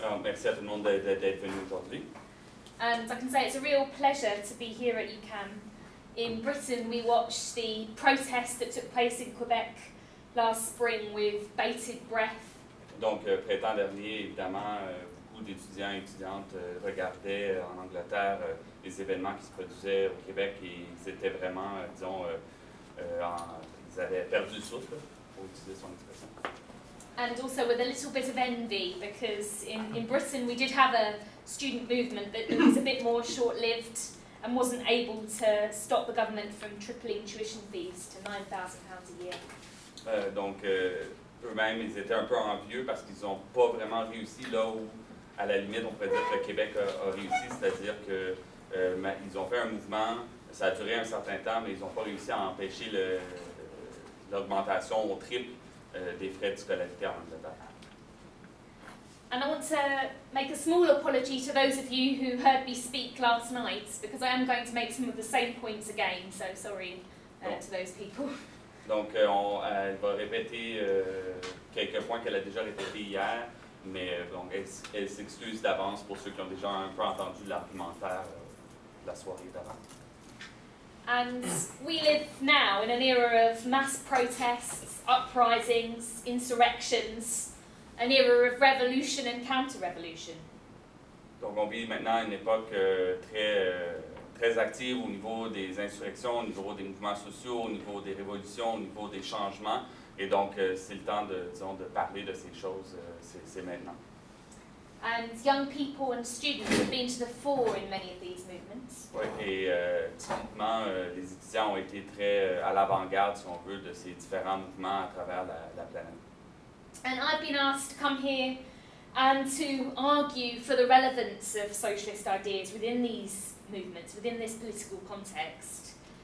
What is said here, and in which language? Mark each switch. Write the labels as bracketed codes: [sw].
[fr] Merci à tout le monde d'être venu aujourd'hui. [en] And I can say it's a real pleasure to be here at UQAM. In Britain, we watched the protest that took place in Quebec last spring with bated breath. [fr] Donc, printemps dernier, évidemment, beaucoup d'étudiants et étudiantes regardaient en Angleterre les événements qui se produisaient au Québec et ils étaient vraiment, disons, ils avaient perdu le souffle, pour utiliser son expression. [en] And also with a little bit of envy, because in Britain we did have a student movement that was a bit more short-lived and wasn't able to stop the government from tripling tuition fees to £9,000 a year. [fr] Eux-mêmes, ils étaient un peu envieux parce qu'ils n'ont pas vraiment réussi là où, à la limite, on pourrait dire que le Québec a réussi, c'est-à-dire qu'ils ont fait un mouvement, ça a duré un certain temps, mais ils n'ont pas réussi à empêcher l'augmentation au triple des frais de scolarité en Angleterre. [en] And I want to make a small apology to those of you who heard me speak last night, because I am going to make some of the same points again, so sorry to those people. [fr] Donc, elle va répéter quelques points qu'elle a déjà répétés hier, mais elle s'excuse d'avance pour ceux qui ont déjà un peu entendu l'argumentaire de la soirée d'avant. [en] And we live now in an era of mass protests, uprisings, insurrections, an era of revolution and counter-revolution. [fr] Donc, on vit maintenant une époque très active au niveau des insurrections, au niveau des mouvements sociaux, au niveau des révolutions, au niveau des changements. Et donc, c'est le temps de parler de ces choses, c'est maintenant. [en] And young people and students have been to the fore in many of these movements. [fr] Oui, et typiquement, les étudiants ont été très à l'avant-garde, si on veut, de ces différents mouvements à travers la planète. [en] And I've been asked to come here and to argue for the relevance of socialist ideas within these movements, within this political context.